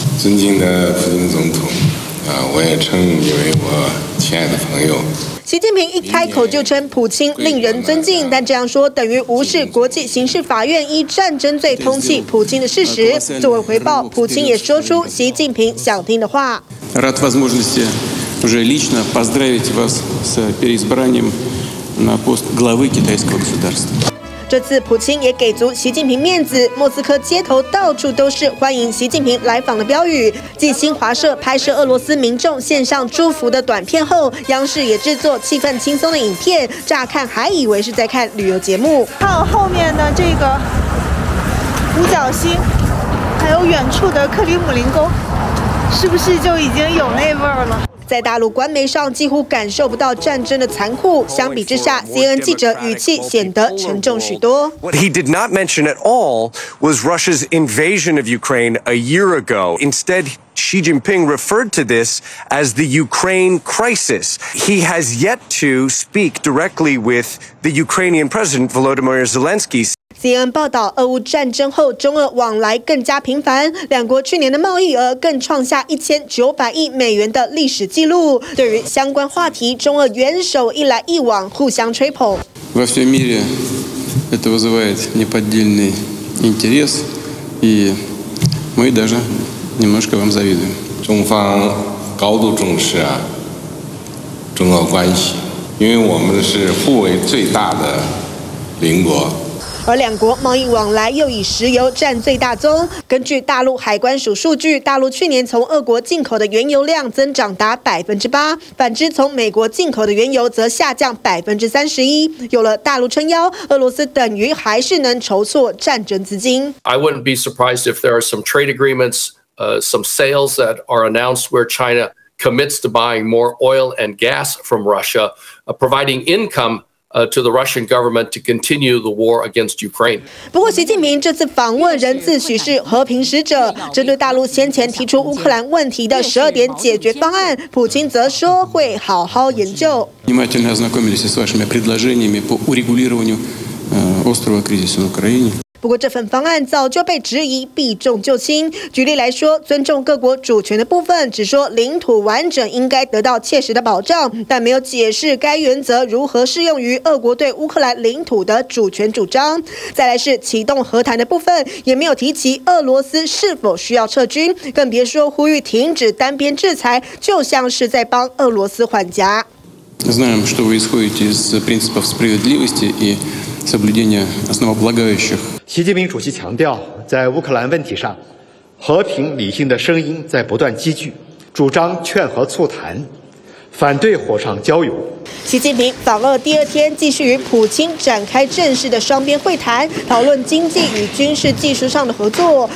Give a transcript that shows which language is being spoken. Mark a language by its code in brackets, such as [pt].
[zh] 尊敬的普京总统，我也称你为我亲爱的朋友。习近平一开口就称普京令人尊敬，但这样说等于无视国际刑事法院依战争罪通缉普京的事实。作为回报，普京也说出习近平想听的话。 [ru] Рад возможности уже лично поздравить вас с переизбранием на пост главы китайского государства。 [zh] 这次普京也给足习近平面子，莫斯科街头到处都是欢迎习近平来访的标语。继新华社拍摄俄罗斯民众献上祝福的短片后，央视也制作气氛轻松的影片，乍看还以为是在看旅游节目。看后面的这个五角星，还有远处的克里姆林宫，是不是就已经有那味儿了？在大陆官媒上几乎感受不到战争的残酷，相比之下 ，CNN 记者语气显得沉重许多。 [en] What he did not mention at all was Russia's invasion of Ukraine a year ago. Instead, Xi Jinping referred to this as the Ukraine crisis. He has yet to speak directly with the Ukrainian President Volodymyr Zelensky. [zh] CNN 报道，俄乌战争后，中俄往来更加频繁，两国去年的贸易额更创下1900亿美元的历史记录。对于相关话题，中俄元首一来一往，互相吹捧。 [ru] Во всем мире это вызывает неподдельный интерес, и мы даже немножко вам завидуем. [zh] 中方高度重视啊，中俄关系，因为我们是互为最大的邻国。而两国贸易往来又以石油占最大宗。根据大陆海关署数据，大陆去年从俄国进口的原油量增长达8%，反之从美国进口的原油则下降31%。有了大陆撑腰，俄罗斯等于还是能筹措战争资金。 [en] I wouldn't be surprised if there are some trade agreements, some sales that are announced where China commits to buying more oil and gas from Russia, providing income. To the Russian government to continue the war against Ukraine. [zh] 不过，习近平这次访问仍自诩是和平使者。针对大陆先前提出乌克兰问题的12点解决方案，普京则说会好好研究。 [ru] Внимательно ознакомились с вашими предложениями по урегулированию острого кризиса в Украине. [zh] 不过这份方案早就被质疑避重就轻。举例来说，尊重各国主权的部分只说领土完整应该得到切实的保障，但没有解释该原则如何适用于俄国对乌克兰领土的主权主张。再来是启动和谈的部分，也没有提及俄罗斯是否需要撤军，更别说呼吁停止单边制裁，就像是在帮俄罗斯缓颊。 [ru] Знаем, что вы исходите из принципов справедливости и соблюдения основополагающих. [zh] 习近平主席强调，在乌克兰问题上，和平理性的声音在不断积聚，主张劝和促谈，反对火上浇油。习近平访俄第二天继续与普京展开正式的双边会谈，讨论经济与军事技术上的合作。